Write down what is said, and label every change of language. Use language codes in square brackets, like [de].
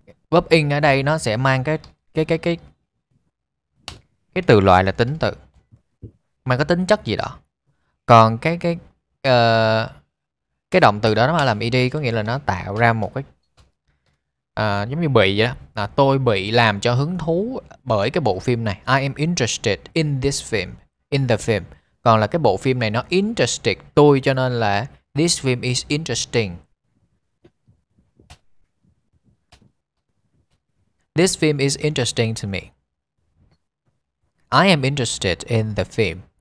[vi] Verb in ở đây nó sẽ mang cái từ loại là tính từ, mang có tính chất gì đó. Còn cái động từ đó nó làm ed, có nghĩa là nó tạo ra một cái giống như bị vậy đó. À, tôi bị làm cho hứng thú bởi cái bộ phim này. [en] I am interested in this film, in the film. [vi] Còn là cái bộ phim này nó interested tôi, cho nên là [en] this film is interesting. This film is interesting to me. I am interested in the film.